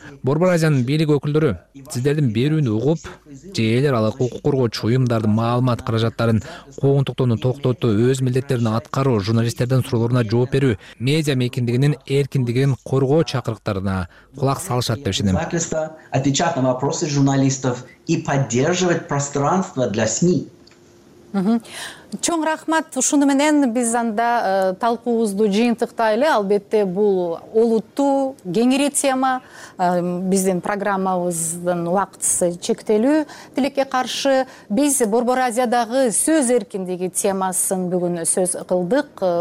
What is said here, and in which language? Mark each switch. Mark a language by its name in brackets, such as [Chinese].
[Kyrgyz] Борбор Азиянын бийлик өкүлдөрү сиздердин берүүнү угуп, же эл аралык укук коргоочу уюмдардын маалымат каражаттарын куугунтуктоону токтотуу, өз милдеттерин аткаруу, журналисттердин суроолоруна жооп берүү, медиа мейкиндигинин эркиндигин коргоо чакырыктарына кулак салышат деп ишенем. [Russian] Отвечать на вопросы журналистов и поддерживать пространство для СМИ. [Kyrgyz] Чоң рахмат. Ушуну менен биз анда талкуубузду жыйынтыктайлы. Албетте бул олуттуу кеңири тема. Биздин программабыздын убактысы чектелүү. Тилекке каршы биз Борбор Азиядагы сөз эркиндиги темасын бүгүн сөз кылдык.